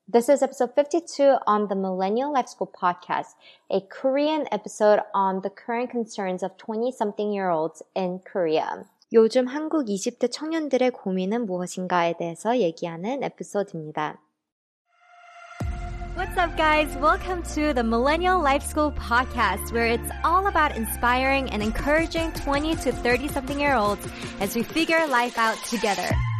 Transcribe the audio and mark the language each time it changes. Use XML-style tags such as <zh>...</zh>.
<en>This is episode 52 on the Millennial Life School podcast, a Korean episode on the current concerns of 20-something-year-olds in Korea.</en> <ko>요즘 한국 20대 청년들의 고민은 무엇인가에 대해서 얘기하는 에피소드입니다.</ko> <en>What's up, guys? Welcome to the Millennial Life School podcast, where it's all about inspiring and encouraging 20 to 30-something-year-olds as we figure life out together.</en>